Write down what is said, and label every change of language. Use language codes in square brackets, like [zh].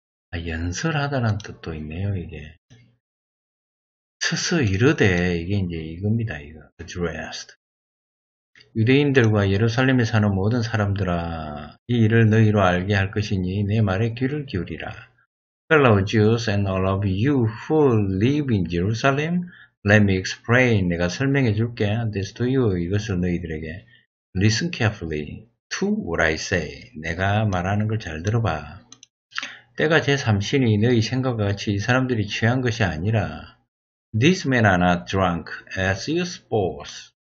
[ko] 아, 연설하다란 뜻도 있네요, 이게. 서서 이르되, 이게 이제 이겁니다, 이거. [en] Dressed. [ko] 유대인들과 예루살렘에 사는 모든 사람들아, 이 일을 너희로 알게 할 것이니 내 말에 귀를 기울이라. [en] Fellow Jews and all of you who live in Jerusalem, let me explain. [ko] 내가 설명해 줄게. [en] This to you. [ko] 이것을 너희들에게. [en] Listen carefully to what I say. [ko] 내가 말하는 걸 잘 들어봐. 때가 제3시니 너희 생각과 같이 이 사람들이 취한 것이 아니라. [en] These men are not drunk as you suppose.